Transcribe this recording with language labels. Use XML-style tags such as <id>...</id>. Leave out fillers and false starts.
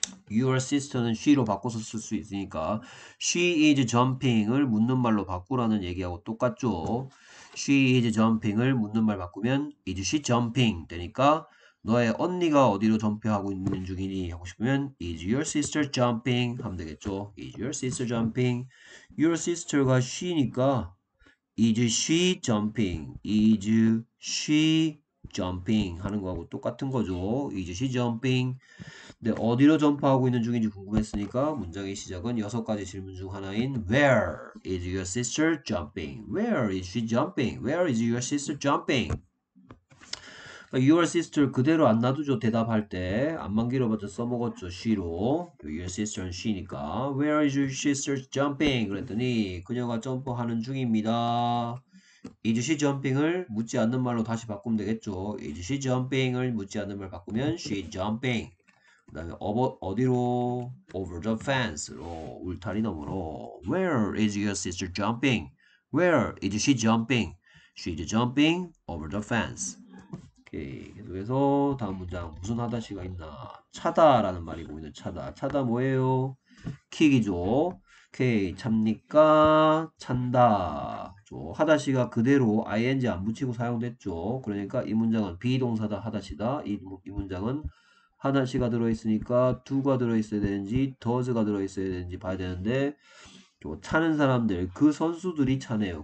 <ko>Your sister는 she로 바꿔서 쓸수 있으니까</ko> <en>she is jumping</en> <ko>을 묻는 말로 바꾸라는 얘기하고 똑같죠. She is jumping을 묻는 말 바꾸면 is she jumping 되니까 너의 언니가 어디로 점프하고 있는 중이니 하고 싶으면</ko> <en>is your sister jumping</en> <ko>하면 되겠죠.</ko> <en>Is your sister jumping? Your sister가 she니까 Is she jumping? Is she jumping?</en> <ko>하는 거하고 똑같은 거죠.</ko> <en>Is she jumping?</en> <ko>근데 어디로 점프하고 있는 중인지 궁금했으니까 문장의 시작은 여섯 가지 질문 중 하나인</ko> <en>Where is your sister jumping? Where is she jumping? Where is your sister jumping?</en> <ko>Your sister 그대로 안 놔두죠. 대답할 때 안만 길어봤자 써먹었죠. She로.</ko> <en>Your sister는 she니까. Where is your sister jumping?</en> <ko>그랬더니 그녀가 점프하는 중입니다.</ko> <en>Is she jumping</en> <ko>을 묻지 않는 말로 다시 바꾸면 되겠죠.</ko> <en>Is she jumping</en> <ko>을 묻지 않는 말 바꾸면 she jumping. 그다음에 어디로?</ko> <en>Over the fence로.</en> <ko>울타리 너머로.</ko> <en>Where is your sister jumping? Where is she jumping? She's jumping over the fence.</en> <ko>계속해서 다음 문장 무슨 하다시가 있나 차다라는 말이 보이는 차다 차다 뭐예요 킥이죠 오케이. 잡니까? 찬다. 하다시가 그대로 ing 안 붙이고 사용됐죠. 그러니까 이 문장은 비동사다 하다시다. 이 문장은 하다시가 들어있으니까 두가 들어있어야 되는지 더즈가 들어있어야 되는지 봐야 되는데 차는 사람들, 그 선수들이 차네요.</ko>